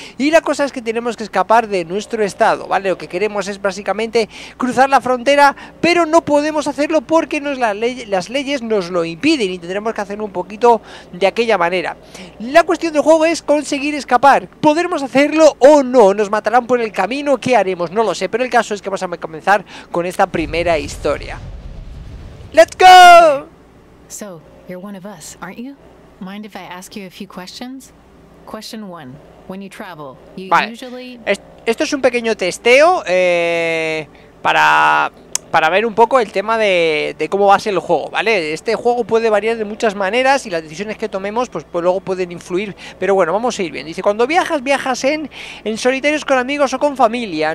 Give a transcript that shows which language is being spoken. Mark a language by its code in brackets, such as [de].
[es] Y la cosa es que tenemos que escapar de nuestro estado, ¿vale? Lo que queremos es básicamente cruzar la frontera, pero no podemos hacerlo porque las leyes nos lo impiden y tendremos que hacerlo un poquito de aquella manera. La cuestión del juego es conseguir escapar. ¿Podremos hacerlo o no? ¿Nos matarán por el camino? ¿Qué haremos? No lo sé, pero el caso es que vamos a comenzar con esta primera historia. [en] ¡Let's go! So, you're one of us, aren't you? Mind if I ask you a few questions? Question one. When you travel, you usually... [es] Esto es un pequeño testeo para ver un poco el tema de cómo va a ser el juego, ¿vale? Este juego puede variar de muchas maneras y las decisiones que tomemos pues luego pueden influir. Pero bueno, vamos a ir bien. Dice, cuando viajas, viajas en solitarios con amigos o con familia.